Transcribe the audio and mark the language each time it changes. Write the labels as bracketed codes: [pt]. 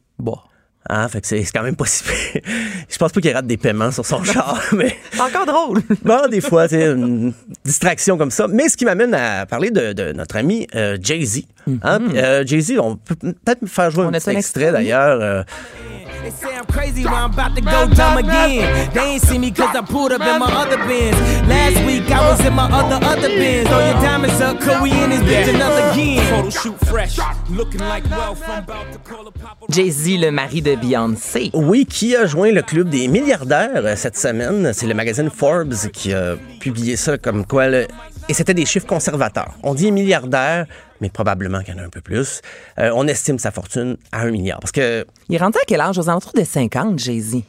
[fr] Bon. Hein, fait que c'est quand même pas si pire. Je pense pas qu'il rate des paiements sur son char, mais... Encore drôle! Bon, des fois, c'est une distraction comme ça. Mais ce qui m'amène à parler de notre ami Jay-Z. Hein, mm-hmm. Jay-Z, on peut peut-être me faire jouer un petit extrait ami? D'ailleurs... [en] They say I'm crazy, but I'm about to go dumb again. They ain't see me cause I pulled up in my other Benz. Last week I was in my other Benz. Throw your diamonds up, cause we in this bitch another again. Photo shoot fresh, looking like wealth. I'm about to call a paparazzi. [fr] Jay-Z, le mari de Beyoncé. Oui, qui a joint le club des milliardaires cette semaine. C'est le magazine Forbes qui a publié ça comme quoi... Et c'était des chiffres conservateurs. On dit milliardaire, mais probablement qu'il y en a un peu plus. On estime sa fortune à un milliard. Parce que... Il rentre à quel âge? Aux alentours de 50, Jay-Z.